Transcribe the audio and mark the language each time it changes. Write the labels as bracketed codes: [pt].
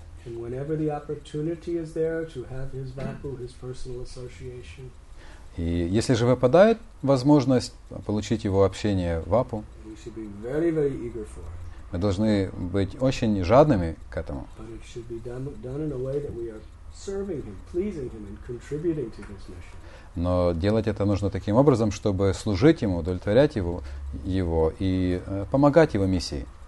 [en] And whenever the opportunity is there to have his vapu, his personal association, [ru] и если же выпадает возможность получить его общение вапу, [en] we should be very, very eager for it. [ru] Мы должны быть очень жадными к этому. [en] But it should be done in a way that we are serving him, pleasing him, and contributing to his mission. [ru] Но делать это нужно таким образом, чтобы служить ему, удовлетворять его и помогать его миссии.